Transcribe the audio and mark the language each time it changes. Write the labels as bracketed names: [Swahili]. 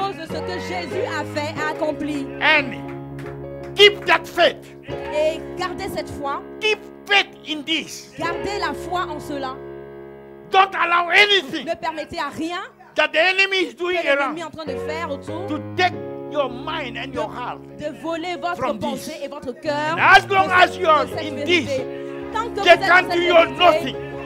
[French] Cause de ce que Jésus a fait a accompli. [English] And keep that faith. [French] Et gardez cette foi. [English] Keep faith in this. [French] Gardez la foi en cela. [English] Don't allow anything. [French] Ne permettez à rien [English] that the enemy is doing [French] que l'ennemi est en train de faire autour. [English] To take your mind and your heart. [French] De voler votre pensée et votre cœur. [English] As long as you are in this, [French] tant que [English] they can't do you nothing.